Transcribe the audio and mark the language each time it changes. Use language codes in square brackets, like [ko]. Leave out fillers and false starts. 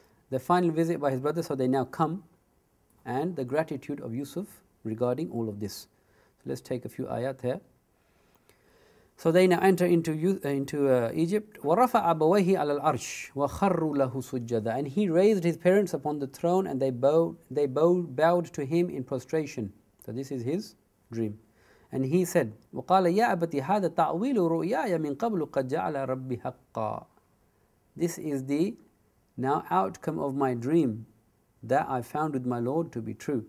[en] The final visit by his brother, so they now come, and the gratitude of Yusuf regarding all of this. So let's take a few ayat here. So they now enter into Egypt. [ar] وَرَفَعَ أَبَوَيْهِ عَلَى الْعَرْشِ وَخَرُّ لَهُ سُجَّدًا. [en] And he raised his parents upon the throne, and they bowed to him in prostration. So this is his dream. And he said, [ar] وَقَالَ يَا أَبَتِ هَذَا تَعْوِيلُ رُؤْيَايَ مِنْ قَبْلُ قَدْ جَعَلَ رَبِّي حَقًّا. [en] This is the now outcome of my dream that I found with my Lord to be true.